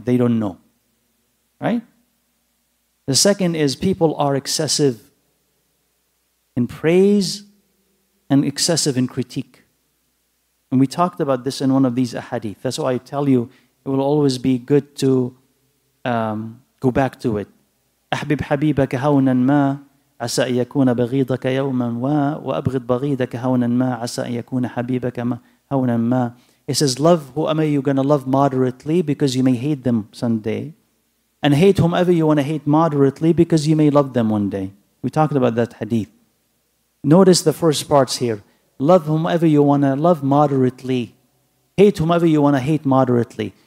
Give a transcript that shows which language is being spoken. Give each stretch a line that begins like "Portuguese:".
English: They don't know, right? The second is people are excessive in praise and excessive in critique. And we talked about this in one of these ahadith. That's why I tell you, it will always be good to go back to it.
Arabic: أحبب حبيبك هونا ما عسى يكون بغيضك يوما وأبغض بغيضك هونا ما عسى يكون حبيبك هونا ما.
English: It says, love whomever you're going to love moderately because you may hate them someday. And hate whomever you want to hate moderately because you may love them one day. We talked about that hadith. Notice the first parts here. Love whomever you want to love moderately. Hate whomever you want to hate moderately.